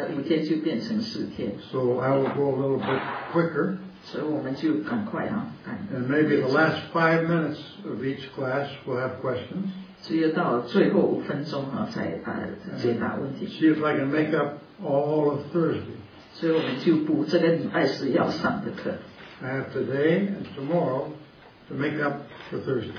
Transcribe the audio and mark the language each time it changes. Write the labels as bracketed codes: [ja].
[en] So I will go a little bit quicker. And maybe the last 5 minutes of each class will have questions. [zh] 只有到最后五分钟才解答问题。 [en] See if I can make up all of Thursday. [zh] 所以我们就补这个礼拜四要上的课。 [en] I have today and tomorrow to make up for Thursday.